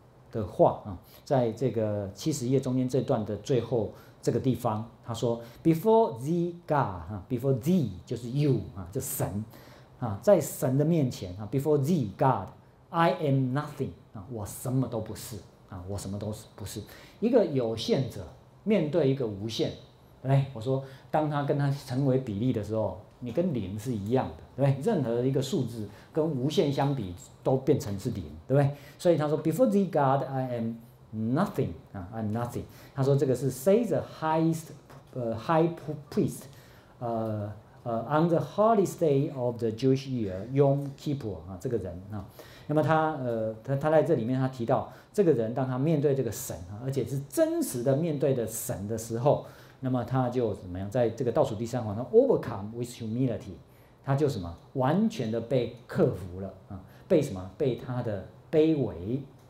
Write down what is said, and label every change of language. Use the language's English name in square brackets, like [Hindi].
[Chinese] 的话在这个七十页中间这段的最后这个地方，他说 [English] Before thee God, Before thee [Chinese] 就是 you, 就是神，在神的面前 [English] Before thee God, I am nothing, [Chinese] 我什么都不是，我什么都不是。一个有限者面对一个无限，对，我说当他跟他成为比例的时候，你跟零是一样的，对，任何一个数字跟无限相比都变成是零，对不对？所以他说 [English] Before thee God, I am nothing, I'm nothing。 [Chinese] 他说这个是 [English] Say the highest, high priest on the holiest day of the Jewish year, Yom Kippur, [Chinese] 这个人，那么 他在这里面他提到这个人，当他面对这个神，而且是真实的面对的神的时候，那么他就怎么样，在这个倒数第三行，他 [English] overcome with humility, [Chinese] 他就什么完全的被克服了，被什么被他的卑微，